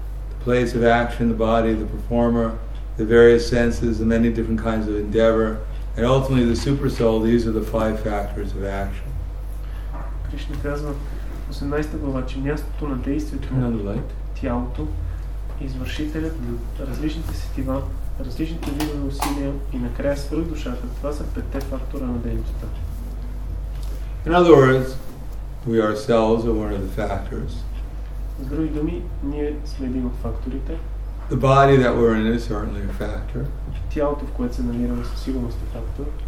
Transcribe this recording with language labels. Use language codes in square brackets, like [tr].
[en] The place of action, the body, the performer, the various senses, the many different kinds of endeavor, and ultimately the super soul, these are the five factors of action. [bg] Krishna kazma 18-та глава, че мястото на действието на тялото, извършителят, различните сетива, различните видове усилия и накрая свърх душата, това са петте фактора на дейността. [en] In other words, we ourselves are one of the factors. [bg] С други думи, ние сме един от факторите. [en] The body that we're in is certainly a factor. [bg] Тялото, в което се намираме, със сигурност е фактор.